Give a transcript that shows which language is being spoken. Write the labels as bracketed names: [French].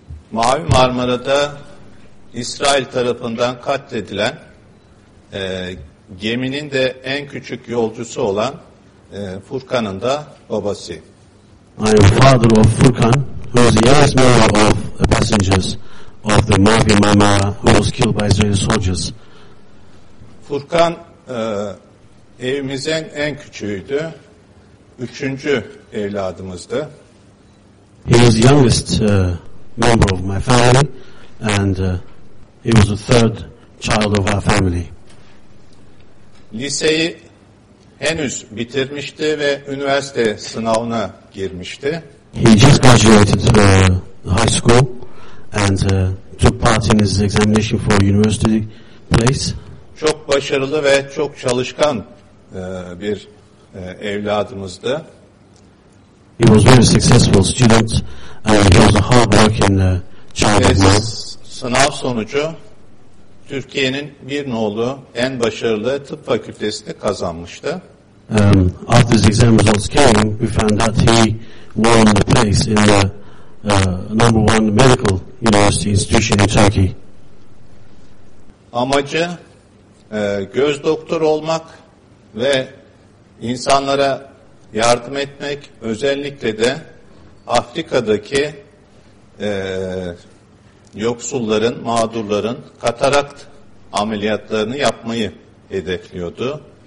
[Turkish] Mavi Marmara'da İsrail tarafından katledilen geminin de en küçük yolcusu olan Furkan'ın da babasıyım. [English] I am father of Furkan, who is the youngest member of the passengers of the Mavi Marmara, who was killed by Israeli soldiers. [Turkish] Furkan evimizin en küçüğüydü, üçüncü evladımızdı. [English] He was the youngest member of my family, and he was the third child of our family. [Turkish] Liseyi henüz bitirmişti ve üniversite sınavına girmişti. [English] He just graduated high school and took part in his examination for university place. [Turkish] Çok başarılı ve çok çalışkan bir evladımızdı. [English] He was very successful student and he was a hard-working child. [Turkish] Sınav sonucu Türkiye'nin bir nolu en başarılı tıp fakültesini kazanmıştı. [English] After his exam results came, we found that he won the place in the number one medical university institution in Turkey. [Turkish] Amacı göz doktor olmak ve insanlara yardım etmek, özellikle de Afrika'daki yoksulların, mağdurların katarakt ameliyatlarını yapmayı hedefliyordu.